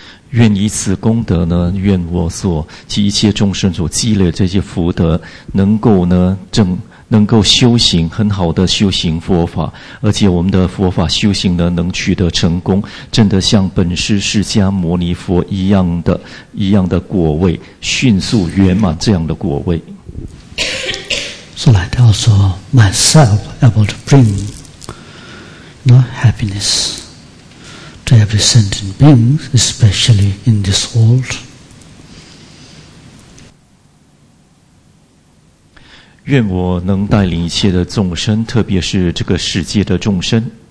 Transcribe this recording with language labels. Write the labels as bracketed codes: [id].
[zh] 愿以此功德呢，愿我所及一切众生所积累这些福德，能够呢能够修行很好的修行佛法，而且我们的佛法修行呢能取得成功，真的像本师释迦牟尼佛一样的果位，迅速圆满这样的果位。 [en] So like also myself able to bring no happiness. To every sentient being, especially in this world. [zh] 愿我能带领一切的众生，特别是这个世界的众生。